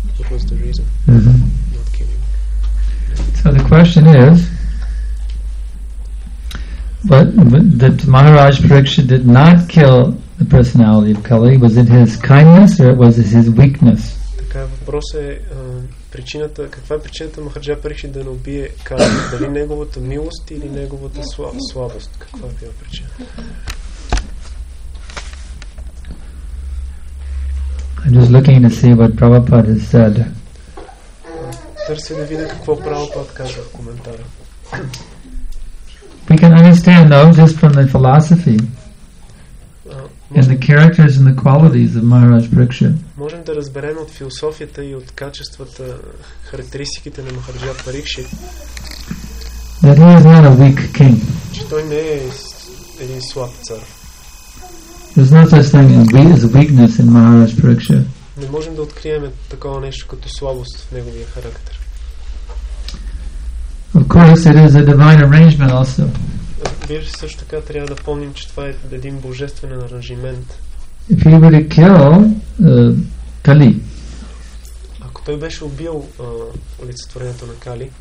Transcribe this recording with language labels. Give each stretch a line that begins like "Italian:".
English: What was the reason not killing? So the question is, but that Maharaj Pariksit did not kill the personality of Kali, was it his kindness or was it his weakness?
Bulgarian: Така въпрос е причината, каква е причината Махарджа Париксит да не убие Кали? Дали неговата милост или неговата слабост? Каква е била причина?
English: I'm just looking to see what Prabhupada has said.
Bulgarian: Търся да видя какво Прабхупад каза в коментара.
English: We can understand though just from the philosophy and the characters and the qualities of Maharaj Pariksit.
Bulgarian: Можем да разберем от философията и от качествата, характеристиките на Махарджа Парикшит.
English: That he is not a weak king.
Bulgarian: Че той не е един слаб цар.
English: There's no such thing as weakness in Maharaj Pariksit.
Bulgarian: Не можем да открием такова нещо като слабост в неговия характер.
English: Of course, it is a divine arrangement also.
Bulgarian: Вие също така трябва да помним, че това е един божествен аранжимент.
English: If he were to kill Kali,
Bulgarian: ако той беше убил олицетворението на Кали,